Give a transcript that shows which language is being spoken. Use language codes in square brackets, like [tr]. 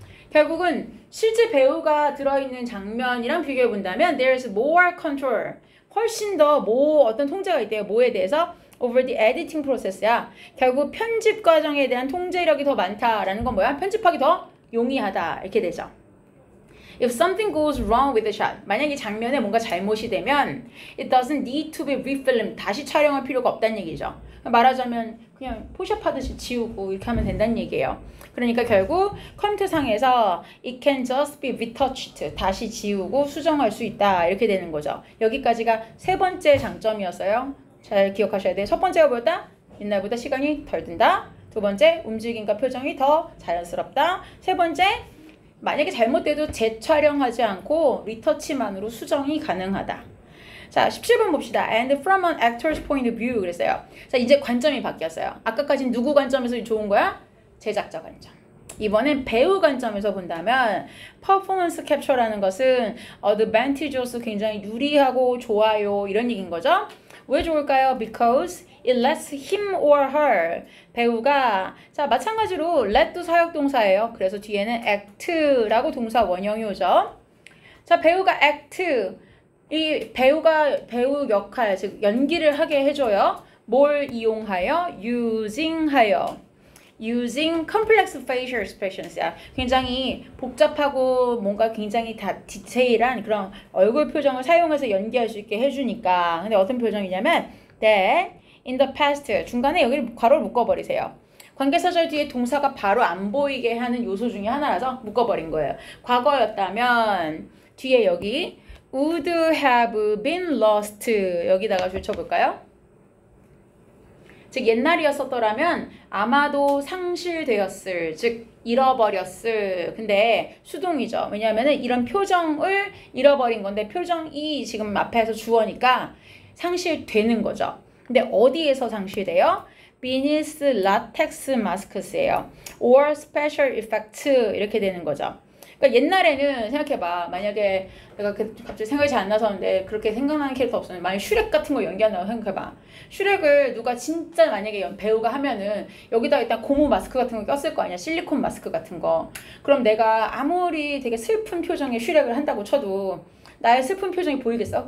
[ko] 결국은 실제 배우가 들어있는 장면이랑 비교해 본다면 [en] there is more control. [ko] 훨씬 더뭐 어떤 통제가 있대요. 뭐에 대해서? [en] over the editing process야. [ko] 결국 편집 과정에 대한 통제력이 더 많다라는 건 뭐야? 편집하기 더 용이하다. 이렇게 되죠. [en] If something goes wrong with the shot, [ko] 만약에 장면에 뭔가 잘못이 되면 [en] it doesn't need to be refilmed. [ko] 다시 촬영할 필요가 없다는 얘기죠. 말하자면 그냥 포샵 하듯이 지우고 이렇게 하면 된다는 얘기예요. 그러니까 결국 컴퓨터상에서 [en] it can just be retouched. [ko] 다시 지우고 수정할 수 있다. 이렇게 되는 거죠. 여기까지가 세 번째 장점이었어요. 잘 기억하셔야 돼요. 첫 번째가 뭐였다? 옛날보다 시간이 덜 든다. 두 번째, 움직임과 표정이 더 자연스럽다. 세 번째, 만약에 잘못돼도 재촬영하지 않고 리터치만으로 수정이 가능하다. 자, 17번 봅시다. [en] And from an actor's point of view [ko] 그랬어요. 자, 이제 관점이 바뀌었어요. 아까까진 누구 관점에서 좋은 거야? 제작자 관점. 이번엔 배우 관점에서 본다면 퍼포먼스 캡처라는 것은 어드밴티지로서 굉장히 유리하고 좋아요. 이런 얘기인 거죠. 왜 좋을까요? [en] Because it lets him or her [ko] 배우가 자 마찬가지로 let도 사역 동사예요. 그래서 뒤에는 act라고 동사 원형이 오죠. 자 배우가 act 이 배우가 배우 역할 즉 연기를 하게 해줘요. 뭘 이용하여? [en] Using 하여. Using complex facial expressions야. [ko] 굉장히 복잡하고 뭔가 굉장히 다 디테일한 그런 얼굴 표정을 사용해서 연기할 수 있게 해주니까. 근데 어떤 표정이냐면 [en] that in the past [ko] 중간에 여기를 괄호를 묶어버리세요. 관계사절 뒤에 동사가 바로 안 보이게 하는 요소 중에 하나라서 묶어버린 거예요. 과거였다면 뒤에 여기 [en] would have been lost [ko] 여기다가 줄쳐볼까요? 즉, 옛날이었었더라면 아마도 상실되었을, 즉, 잃어버렸을. 근데 수동이죠. 왜냐하면 이런 표정을 잃어버린 건데 표정이 지금 앞에서 주어니까 상실되는 거죠. 근데 어디에서 상실돼요? [en] Beneath latex masks예요. Or special effects. [ko] 이렇게 되는 거죠. 그러니까 옛날에는 생각해봐. 만약에 내가 갑자기 생각이 잘안 나서는데 그렇게 생각나는 캐릭터 없었는데 만약에 슈렉 같은 거 연기한다고 생각해봐. 슈렉을 누가 진짜 만약에 배우가 하면은 여기다 일단 고무 마스크 같은 거 꼈을 거 아니야. 실리콘 마스크 같은 거. 그럼 내가 아무리 되게 슬픈 표정의 슈렉을 한다고 쳐도 나의 슬픈 표정이 보이겠어?